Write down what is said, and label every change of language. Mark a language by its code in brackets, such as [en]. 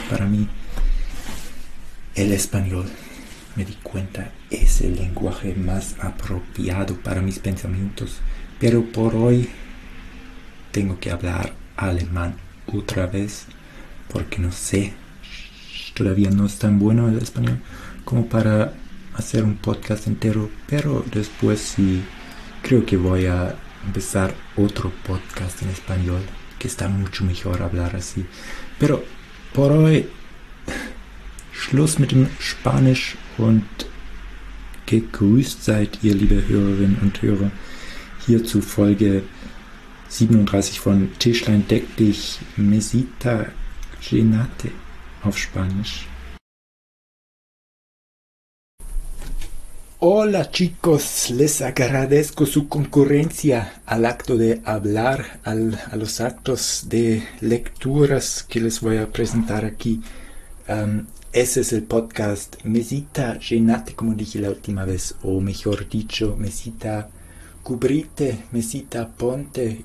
[es] Para mí, el español, me di cuenta, es el lenguaje más apropiado para mis pensamientos, pero por hoy tengo que hablar alemán otra vez porque no sé, todavía no es tan bueno el español como para hacer un podcast entero, pero después sí. Creo que voy a empezar otro podcast en español, que está mucho mejor hablar así. Pero por hoy, [de] Schluss mit dem Spanisch und gegrüßt seid ihr, liebe Hörerinnen und Hörer, hier zu Folge 37 von Tischlein deck dich, Mesita llénate auf Spanisch. [es] Hola chicos, les agradezco su concurrencia al acto de hablar, a los actos de lecturas que les voy a presentar aquí. Ese es el podcast Mesita Llenate, como dije la última vez, o mejor dicho, Mesita Cubrite, Mesita Ponte.